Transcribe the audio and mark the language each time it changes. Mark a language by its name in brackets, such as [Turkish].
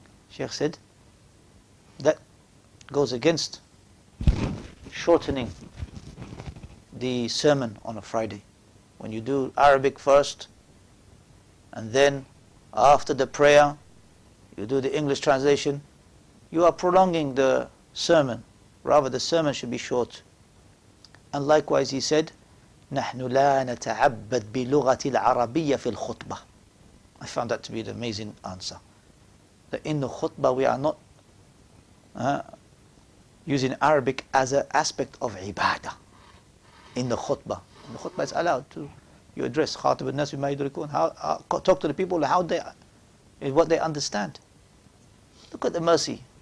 [English] Sheikh said, "That goes against shortening the sermon on a Friday. When you do Arabic first, and then after the prayer, you do the English translation, you are prolonging the sermon. Rather, the sermon should be short." And likewise, he said, [Arabic] "نحن لا نتعبد بلغة العربية في الخطبة." [English] I found that to be an amazing answer. That in the khutbah, we are not using Arabic as an aspect of ibadah. In the khutbah. In the khutbah, it's allowed to, you address [Arabic] khatib al-nas bima yudrikun, [English] talk to the people, how they, what they understand. Look at the mercy.